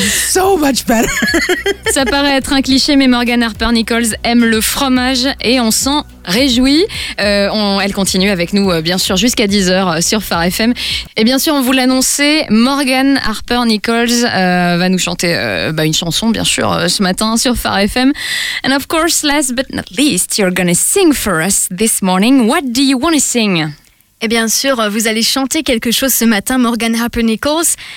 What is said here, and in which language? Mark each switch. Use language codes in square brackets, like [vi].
[fr] Ça paraît être un cliché, mais Morgan Harper-Nichols aime le fromage et on sent... réjouie. Elle continue avec nous, bien sûr, jusqu'à 10h sur Phare FM. Et bien sûr, on vous l'annonçait, Morgan Harper-Nichols va nous chanter une chanson, bien sûr, ce matin sur Phare FM. [en] And of course, last but not least, you're gonna sing for us this morning. What do you wanna sing? [fr] Et bien sûr, vous allez chanter quelque chose ce matin, Morgan Harper-Nichols.